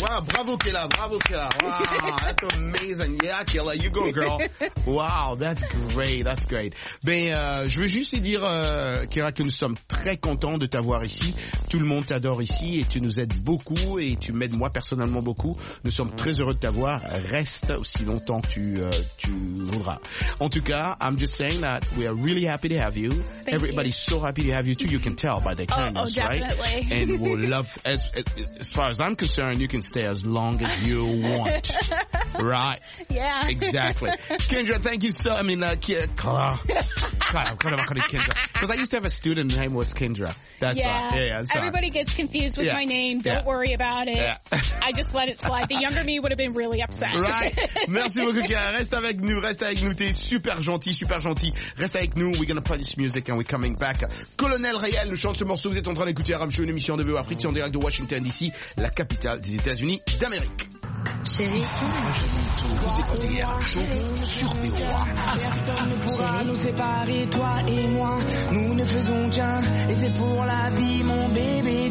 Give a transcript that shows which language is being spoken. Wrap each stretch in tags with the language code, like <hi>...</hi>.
<en>Wow, bravo, Kayla. Wow, that's amazing. Yeah, Kayla, you go, girl. Wow, that's great.</en> <fr>Ben, je veux juste dire, Kayla, que nous sommes très contents de t'avoir ici. Tout le monde t'adore ici. Et tu nous aides beaucoup et tu m'aides moi personnellement beaucoup. Nous sommes très heureux de t'avoir. Reste aussi longtemps que tu voudras.</fr> <en>En tout cas, I'm just saying that we are really happy to have you. Thank you. So happy to have you too. You can tell by the kindness, right? And we'll love, as far as I'm concerned, you can stay as long as you want. Right? Yeah. Exactly. Kendra, thank you so, Kendra. God, I'm kind of calling Kendra. Because I used to have a student, her name was Kendra. Everybody gets confused with my name. Don't worry about it. I just let it slide. The younger me would have been really upset.</en> <fr>Right. Merci beaucoup, Kayla. Reste avec nous. T'es super gentil. Reste avec nous.</fr> <en>We're gonna play this music and we're coming back.</en> <fr>Colonel Réel nous chante ce morceau. Vous êtes en train d'écouter RM Show, une émission de VO Afrique. C'est en direct de Washington DC, la capitale des États-Unis d'Amérique. Chérie, vous écoutez RM Show sur VO Afrique. Personne ne pourra nous séparer, toi et moi. Nous ne faisons qu'un et c'est pour la vie, mon bébé.</fr>